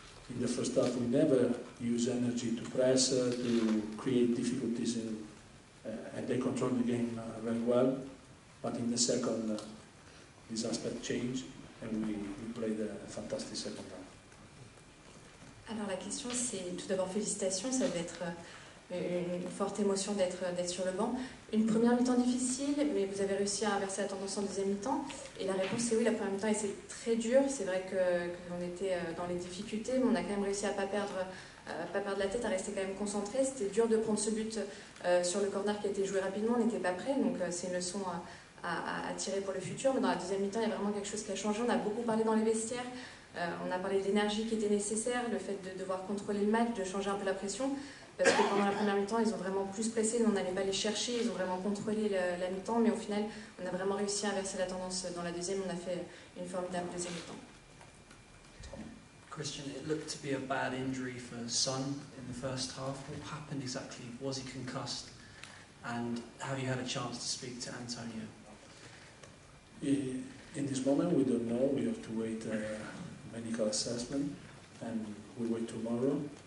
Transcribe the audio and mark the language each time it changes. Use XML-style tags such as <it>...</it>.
<en>In the first half we never use energy to press, to create difficulties, and they control the game very well. But in the second, this aspect changed. And we played a fantastic second half.</en> <fr>Alors la question, c'est tout d'abord félicitations, ça devait être une forte émotion d'être sur le banc. Une première mi-temps difficile, mais vous avez réussi à inverser la tendance en deuxième mi-temps. Et la réponse est oui, la première mi-temps était très dure. C'est vrai qu'on était dans les difficultés, mais on a quand même réussi à pas perdre la tête, à rester quand même concentré. C'était dur de prendre ce but sur le corner qui a été joué rapidement, on n'était pas prêt, donc c'est une leçon à tirer pour le futur. Mais dans la deuxième mi-temps, il y a vraiment quelque chose qui a changé. On a beaucoup parlé dans les vestiaires, on a parlé de l'énergie qui était nécessaire, le fait de devoir contrôler le match, de changer un peu la pression, parce que pendant la première mi-temps, ils ont vraiment plus pressé, on n'allait pas les chercher, ils ont vraiment contrôlé la mi-temps, mais au final, on a vraiment réussi à inverser la tendance dans la deuxième, on a fait une formidable deuxième mi-temps.</fr> <en>Christian, it looked to be a bad injury for Son in the first half. What happened exactly? Was he concussed? And have you had a chance to speak to Antonio? In this moment, we don't know. We have to wait medical assessment, and we wait tomorrow.</en>